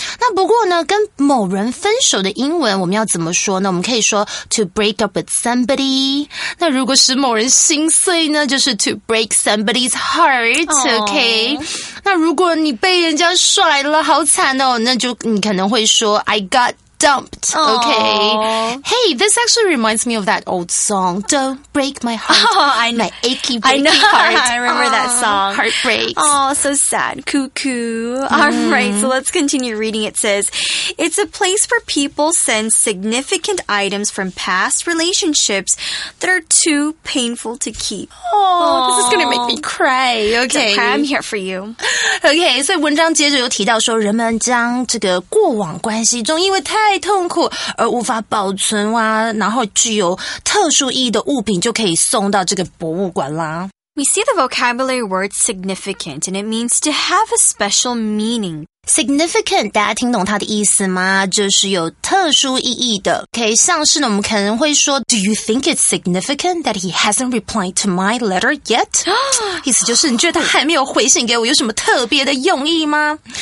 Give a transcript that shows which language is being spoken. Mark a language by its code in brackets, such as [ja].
[zh] 那不过呢，跟某人分手的英文我们要怎么说呢？我们可以说 [en] to break up with somebody. [zh] 那如果使某人心碎呢，就是 [en] to break somebody's heart. [zh] OK. 那如果你被人家甩了，好惨哦，那就你可能会说 [en] I got dumped. Okay. Aww. Hey, this actually reminds me of that old song, Don't Break My Heart. Oh, I know. My achy, breaky heart. I remember that song. Heartbreaks. Oh, so sad. Cuckoo. All right, so let's continue reading. It says, it's a place where people send significant items from past relationships that are too painful to keep. Oh, this is going to make me cry. Okay. Okay, I'm here for you. [zh] Okay, 所以文章接着有提到说人们将这个过往关系中因为太痛苦而无法保存啊，然后具有特殊意义的物品就可以送到这个博物馆啦。 [en] We see the vocabulary word significant and it means to have a special meaning. [zh] Significant, 大家听懂它的意思吗？就是有特殊意义的。 [en] Okay, [zh] 像是呢我们可能会说 [en] Do you think it's significant that he hasn't replied to my letter yet? [zh] 意思就是你觉得他还没有回信给我有什么特别的用意吗？